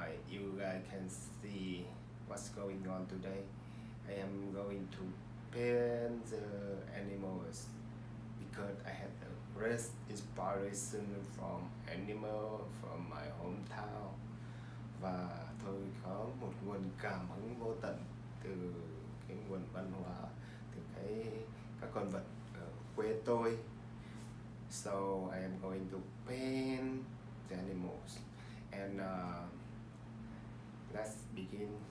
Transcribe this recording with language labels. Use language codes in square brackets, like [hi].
[en] You guys can see what's going on today. I am going to paint the animals. Because I had a great inspiration from animal from my hometown [vi] và tôi có một nguồn cảm hứng vô tận từ cái nguồn văn hóa từ cái các con vật ở quê tôi. [en] So I am going to paint the animals and let's begin.